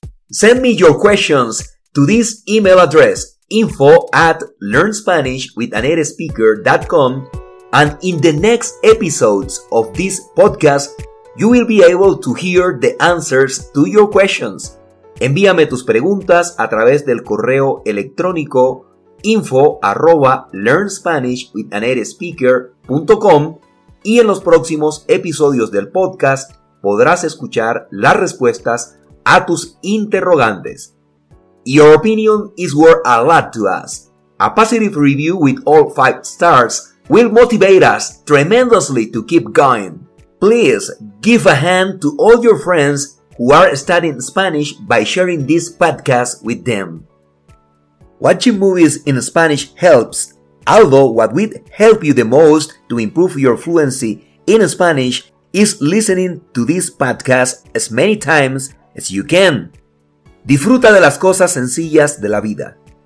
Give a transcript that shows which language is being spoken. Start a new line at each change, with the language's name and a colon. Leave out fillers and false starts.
English: Send me your questions to this email address, info@learnspanishwithanatespeaker.com, and in the next episodes of this podcast, you will be able to hear the answers to your questions.
Spanish: Envíame tus preguntas a través del correo electrónico info@learnspanishwithanatespeaker.com y en los próximos episodios del podcast podrás escuchar las respuestas a tus interrogantes.
English: Your opinion is worth a lot to us. A positive review with all 5 stars will motivate us tremendously to keep going. Please give a hand to all your friends who are studying Spanish by sharing this podcast with them. Watching movies in Spanish helps, although what would help you the most to improve your fluency in Spanish is listening to this podcast as many times as you can.
Spanish: Disfruta de las cosas sencillas de la vida.